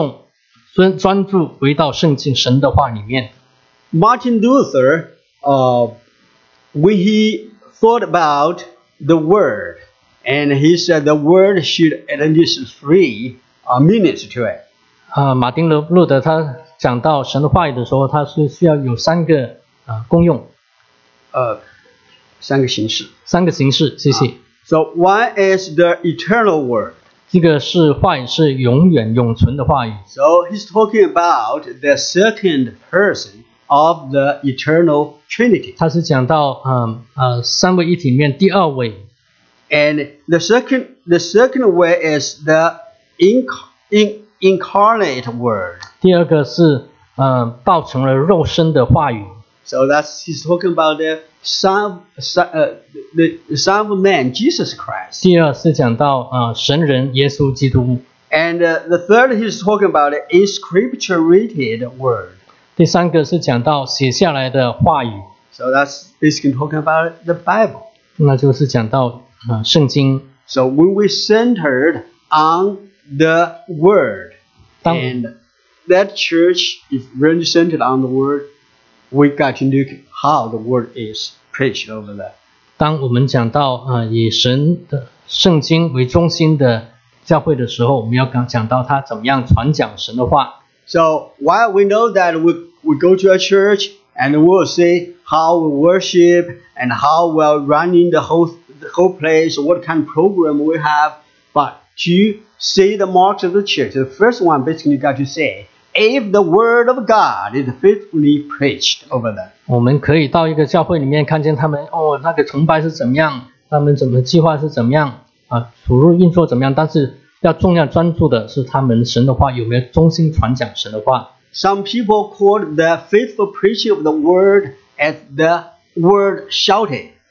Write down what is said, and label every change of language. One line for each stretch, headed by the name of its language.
Chinese: 自从将回归圣经之后，我们改教家一直都是在专注回到圣经神的话里面。
English: Martin Luther, when he thought about the word, and he said the word should at least three meanings to it.
Chinese: 马丁路德他讲到神的话语的时候，他是需要有三个功用。三个形式。三个形式，谢谢。
English: So one is the eternal word.
Chinese: 这个是话语是永远永存的话语。
English: So he's talking about the second person of the eternal Trinity.
Chinese: 他是讲到, 三位一体里面第二位。
English: And the second way is the incarnate word.
Chinese: 第二个是, 道成了肉身的话语。
English: So that's he's talking about the Son of Man, Jesus Christ.
Chinese: 第二是讲到, 神人耶稣基督。
English: And the third he's talking about is scripturated word.
Chinese: 第三个是讲到写下来的话语。
English: So that's basically talking about the Bible.
Chinese: 那就是讲到, 圣经。
English: So when we centered on the Word, and that church is really centered on the Word, we got to look how the Word is preached over there.
Chinese: 当我们讲到, 以神的圣经为中心的教会的时候, 我们要讲到他怎么样传讲神的话。
English: So while we know that we go to a church and we'll see how we worship and how we're running the whole place, what kind of program we have, but to see the marks of the church, the first one basically you got to say, if the word of God is faithfully preached over there.
Chinese: 我们可以到一个教会里面看见他们，那个崇拜是怎么样，他们怎么计划是怎么样，主日运作怎么样，但是 要重要专注的是他们神的话有没有忠心传讲神的话。
English: Some people call the faithful preaching of the word as the word shouting.